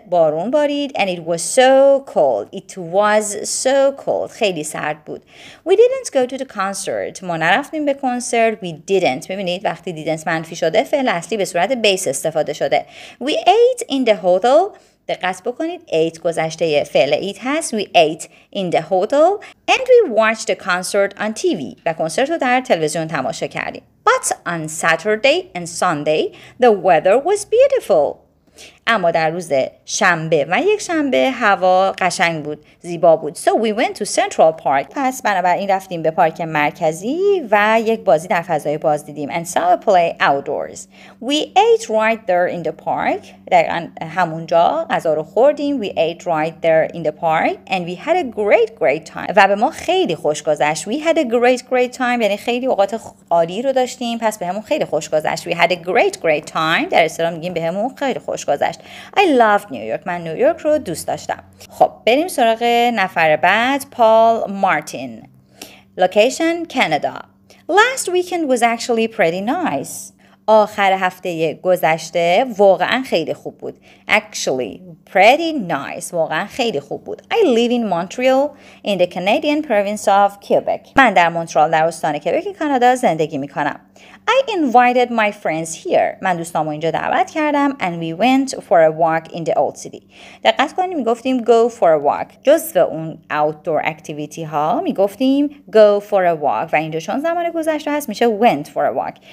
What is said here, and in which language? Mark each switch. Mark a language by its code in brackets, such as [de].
[fa] بارون بارید [en] and it was so cold. It was so cold. [fa] خیلی سرد بود. [en] We didn't go to the concert. [fa] ما نرفتیم به کنسرت. [en] We didn't. [fa] ببینید وقتی didn't منفی شده فعل اصلی به صورت base استفاده شده. [en] We ate in the hotel. [fa] دقت بکنید ate گذشته فعل eat هست. [en] We ate in the hotel and we watched the concert on TV. [fa] و کنسرت رو در تلویزیون تماشا کردیم. [en] But on Saturday and Sunday the weather was beautiful. [fa] اما در روز شنبه و یک شنبه هوا قشنگ بود زیبا بود. [en] So we went to Central Park. [fa] پس بنابراین رفتیم به پارک مرکزی و یک بازی در فضای باز دیدیم. [en] And saw a play outdoors. We ate right there in the park. [fa] دقیقا همونجا غذا رو خوردیم. [en] We ate right there in the park. And we had a great great time. [fa] و به ما خیلی خوش گذشت. [en] We had a great great time. [fa] یعنی خیلی اوقات عالی رو داشتیم. پس به همون خیلی خوش گذشت. [en] We had a great great time. [fa] در اصطلاح میگیم به همون خیلی خوش گذشت. [en] I love New York. [fa] من نیویورک رو دوست داشتم. خب بریم سراغ نفر بعد. پال مارتین. [en] Location Canada. Last weekend was actually pretty nice. [fa] آخر هفته گذشته واقعا خیلی خوب بود. [en] Actually pretty nice. [fa] واقعا خیلی خوب بود. [en] I live in Montreal in the Canadian province of Quebec. [fa] من در مونترال در استان کبک کانادا زندگی میکنم. [en] I invited my friends here. [fa] من دوستامو اینجا دعوت کردم [en] and we went for a walk in the old city. [fa] دقت کنیم میگفتیم [en] go for a walk. [fa] جز به اون outdoor activity ها میگفتیم [en] go for a walk [fa] و اینجا چون زمان گذشته هست میشه [en] went for a walk.